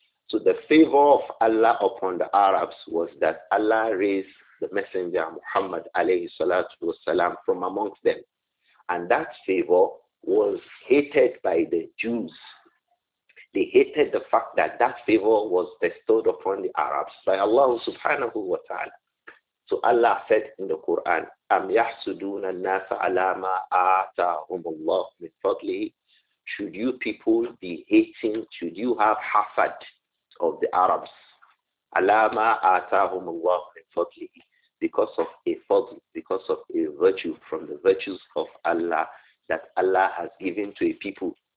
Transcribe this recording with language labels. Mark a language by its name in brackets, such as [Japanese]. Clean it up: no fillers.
[English] So the favor of Allah upon the Arabs was that Allah raised the messenger Muhammad alayhi salatu wasalam from amongst them. And that favor was hated by the Jews. They hated the fact that that favor was bestowed upon the Arabs by Allah subhanahu wa ta'ala. So Allah said in the Quran, [Arabic] أَمْ يَحْسُدُونَ النَّاسَ عَلَى مَا آتَاهُمُ اللَّهُ مِنْ فَضْلِهِ. [English] Should you people be hating, should you have hasad of the Arabs? [Arabic] عَلَى مَا آتَاهُمُ اللَّهُ مِنْ فَضْلِهِ, [English] because of a fadl, because of a virtue from the virtues of Allah that Allah has given to a people.